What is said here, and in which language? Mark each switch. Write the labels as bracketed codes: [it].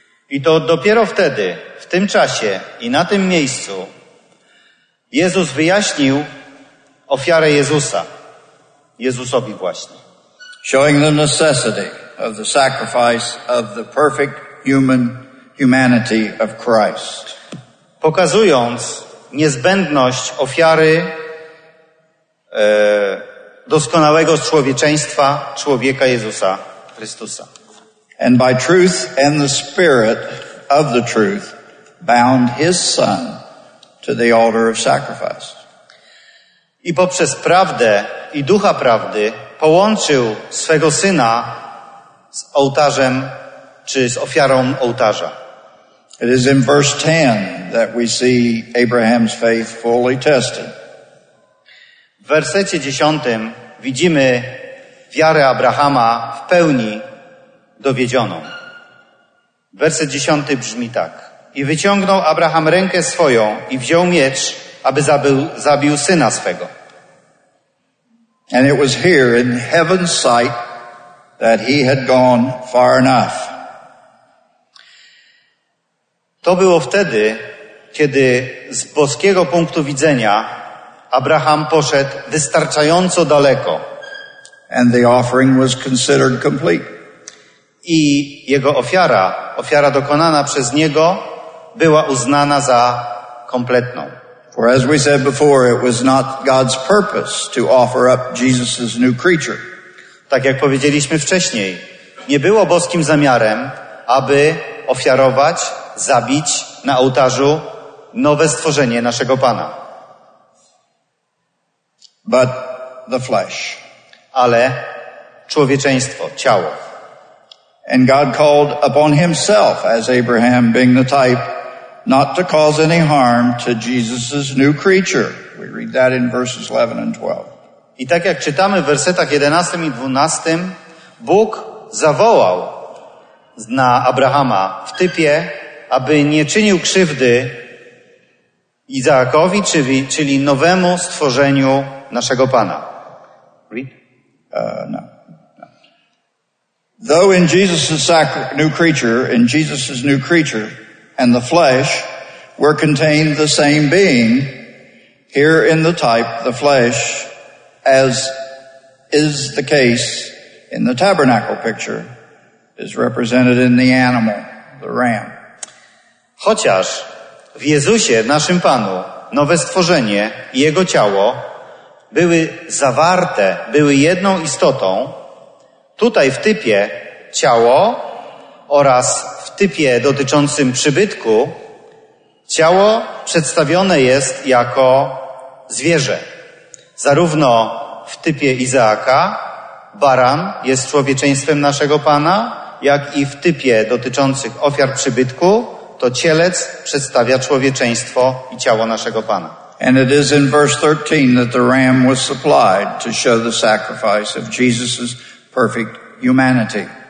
[pl] I to dopiero wtedy, w tym czasie i na tym miejscu, Jezus wyjaśnił ofiarę Jezusa, Jezusowi właśnie. [en] Showing the necessity of the sacrifice of the perfect humanity of Christ. [pl] Pokazując niezbędność ofiary doskonałego człowieczeństwa, człowieka Jezusa Chrystusa. [en] And by truth and the spirit of the truth bound his son to the altar of sacrifice. [pl] I poprzez prawdę i ducha prawdy połączył swego syna z ołtarzem, czy z ofiarą ołtarza. [en] It is in verse 10 that we see Abraham's faith fully tested. [pl] W wersecie 10 widzimy wiarę Abrahama w pełni dowiedzioną. Werset 10 brzmi tak. I wyciągnął Abraham rękę swoją i wziął miecz, aby zabił syna swego. [en] And it was here in heaven's sight that he had gone far enough. [pl] To było wtedy, kiedy z boskiego punktu widzenia Abraham poszedł wystarczająco daleko. [en] And the offering was considered complete. [pl] I jego ofiara, ofiara dokonana przez niego, była uznana za kompletną. [en] For as we said before, it was not God's purpose to offer up Jesus's new creature. [pl] Tak jak powiedzieliśmy wcześniej, nie było boskim zamiarem, aby ofiarować, zabić na ołtarzu nowe stworzenie naszego Pana. [en] But the flesh. [pl] Ale człowieczeństwo, ciało. [en] And God called upon himself as Abraham being the type not to cause any harm to Jesus's new creature. We read that in verses 11 and 12. [pl] I tak jak czytamy w wersetach 11 i 12, Bóg zawołał na Abrahama w typie, aby nie czynił krzywdy Izaakowi, czyli nowemu stworzeniu naszego Pana. [en] Read. Though in Jesus' new creature, in Jesus' new creature and the flesh were contained the same being, here in the type, the flesh, as is the case in the tabernacle picture, is represented in the animal, the ram. [pl] Chociaż w Jezusie, naszym Panu, nowe stworzenie i Jego ciało były zawarte, były jedną istotą, tutaj w typie ciało oraz w typie dotyczącym przybytku ciało przedstawione jest jako zwierzę. Zarówno w typie Izaaka baran jest człowieczeństwem naszego Pana, jak i w typie dotyczących ofiar przybytku to cielec przedstawia człowieczeństwo i ciało naszego Pana. [en] And it is in verse 13 that the ram was supplied to show the sacrifice of Jesus's perfect humanity.